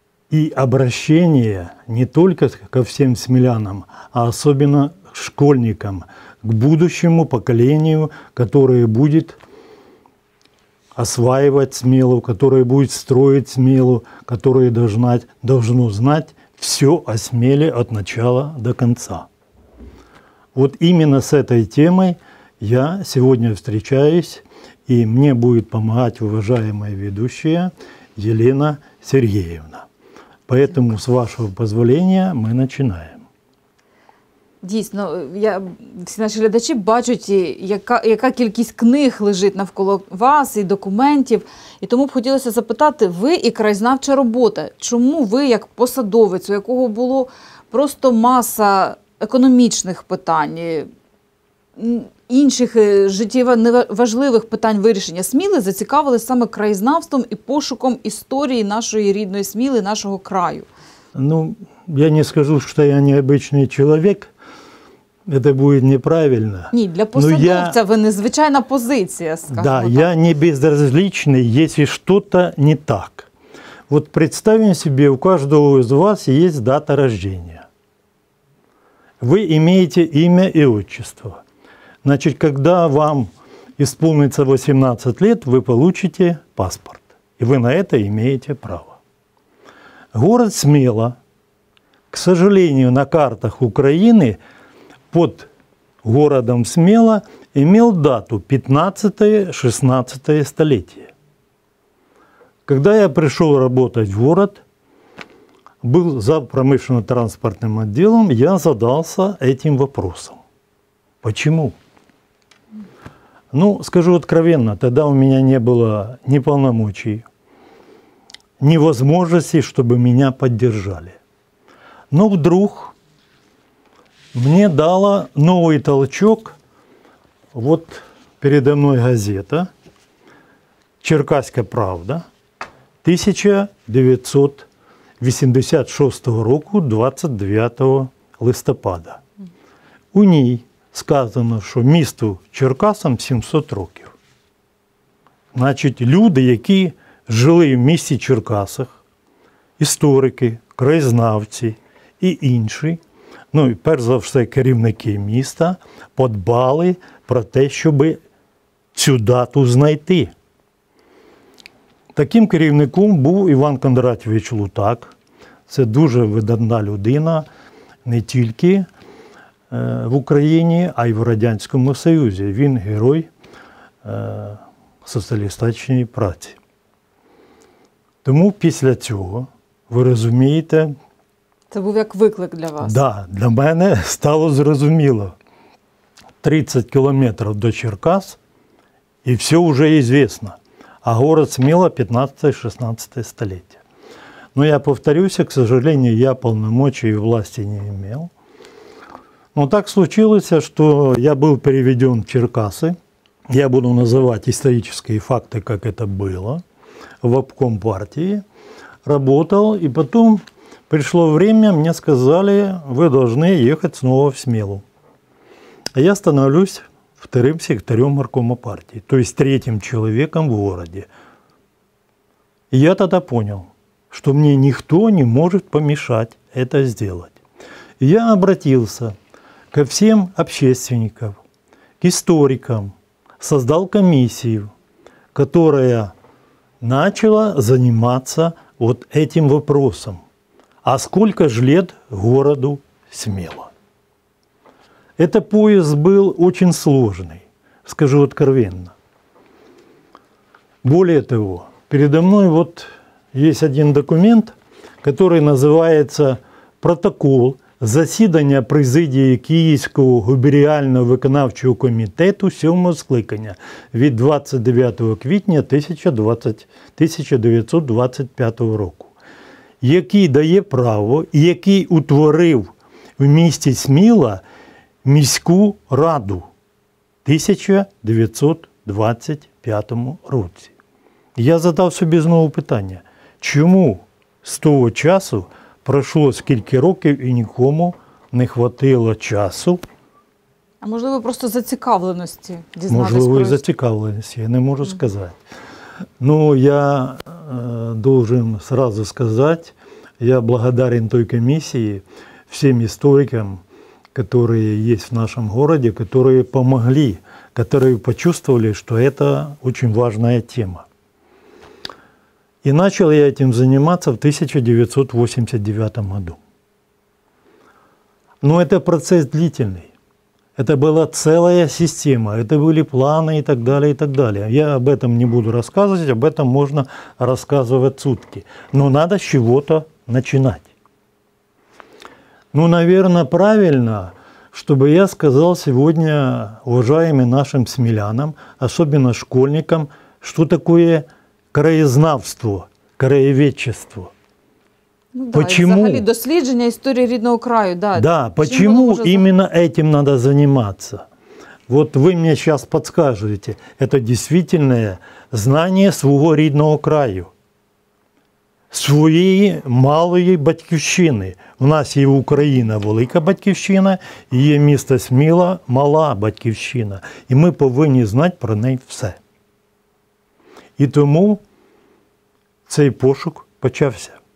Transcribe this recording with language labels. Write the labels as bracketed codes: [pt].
[ru] И обращение не только ко всем смелянам, а особенно к школьникам, к будущему поколению, которое будет осваивать Смелу, которое будет строить Смелу, которое должно знать все о Смеле от начала до конца. Вот именно с этой темой я сегодня встречаюсь. И мне будет помогать уважаемая ведущая Елена Сергеевна. Поэтому, с вашего позволения, мы начинаем. [uk] Дійсно, всі наші глядачі бачать, яка кількість книг лежить навколо вас і документів. І тому б хотілося запитати, ви і краєзнавча робота. Чому ви, як посадовець, у якого було просто маса економічних питань, інших життєво важливих питань вирішення Сміли, зацікавились саме краєзнавством і пошуком історії нашої рідної Сміли, нашого краю? Ну, я не скажу, що я необычний чоловік, це буде неправильно. Ні, для посадовця ви незвичайна позиція, скажімо. Да, так, я не безразличний, якщо щось не так. От представимо собі, у кожного з вас є дата рождення. Ви маєте ім'я і отчество. [ru] Значит, когда вам исполнится 18 лет, вы получите паспорт. И вы на это имеете право. Город Смела, к сожалению, на картах Украины под городом Смела имел дату 15-16 столетия. Когда я пришел работать в город, был за промышленно-транспортным отделом, я задался этим вопросом. Почему? Ну, скажу откровенно, тогда у меня не было ни полномочий, ни возможностей, чтобы меня поддержали. Но вдруг мне дала новый толчок, вот передо мной газета «Черкасская правда», [uk] 1986 року, 29 листопада. У ней сказано, що місту Черкасам 700 років. Значить, люди, які жили в місті Черкасах, історики, краєзнавці і інші, ну і перш за все керівники міста, подбали про те, щоб цю дату знайти. Таким керівником був Іван Кондратович Лутак. Це дуже видатна людина, не тільки в Україні, а й в Радянському Союзі. Він герой соціалістичної праці. Тому після цього, ви розумієте… Це був як виклик для вас. Да, для мене стало зрозуміло. 30 кілометрів до Черкас, і все вже звісно. А город Сміла 15-16 століття. Ну, я повторюся, [ru] к сожалению, [uk] я повноважень і власті не мав. [ru] Но так случилось, что я был переведен в Черкасы. Я буду называть исторические факты, как это было. В обком партии работал. И потом пришло время, мне сказали, вы должны ехать снова в Смелу. А я становлюсь вторым секретарем горкома партии. То есть третьим человеком в городе. И я тогда понял, что мне никто не может помешать это сделать. И я обратился ко всем общественникам, к историкам, создал комиссию, которая начала заниматься вот этим вопросом. А сколько же лет городу Смело? Этот поезд был очень сложный, скажу откровенно. Более того, передо мной вот есть один документ, который называется [uk] «Протокол засідання президії Київського губеріального виконавчого комітету 7-го скликання від 29 квітня 1925 року», який дає право і який утворив в місті Сміла міську раду в 1925 році. Я задав собі знову питання, чому з того часу пройшло скільки років і нікому не хватило часу? А можливо, просто зацікавленості дізнатися? Можливо, і зацікавленості, я не можу сказати. [ru] Ну, я должен сразу сказати, я благодарен [uk] той комісії, всім історикам, [ru] которые есть в нашем городе, которые помогли, которые почувствовали, что это очень важная тема. И начал я этим заниматься в 1989 году. Но это процесс длительный. Это была целая система, это были планы и так далее, и так далее. Я об этом не буду рассказывать, об этом можно рассказывать сутки. Но надо с чего-то начинать. Ну, наверное, правильно, чтобы я сказал сегодня уважаемым нашим смелянам, особенно школьникам, что такое краєзнавство, краєвідчество. Ну, да, почему? [uk] И взагалі дослідження історії рідного краю, да. [ru] Да, почему именно этим надо заниматься? Вот вы мне сейчас подскажете, это действительно знание своего [uk] рідного краю, своєї малої батьківщини. У нас є Україна – велика батьківщина, і є місто Сміла – мала батьківщина. І ми повинні знати про неї все. І тому цей пошук почався.